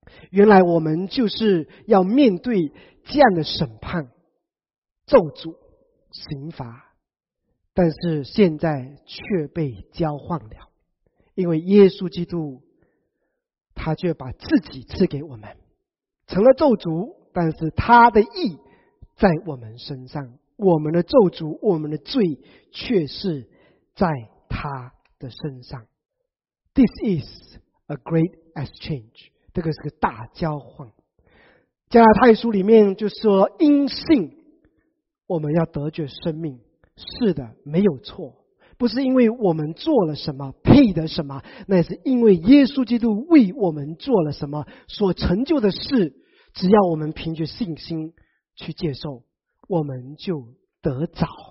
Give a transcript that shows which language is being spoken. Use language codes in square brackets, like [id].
[zh] 原来我们就是要面对这样的审判、咒诅、刑罚，但是现在却被交换了，因为耶稣基督他却把自己赐给我们，成了咒诅，但是他的义在我们身上，我们的咒诅、我们的罪却是在他的身上。 [en] This is a great exchange， [zh] 这个是个大交换。加拉太书里面就说，因信我们要得着生命，是的，没有错，不是因为我们做了什么配得什么，那是因为耶稣基督为我们做了什么，所成就的事，只要我们凭着信心去接受，我们就得着。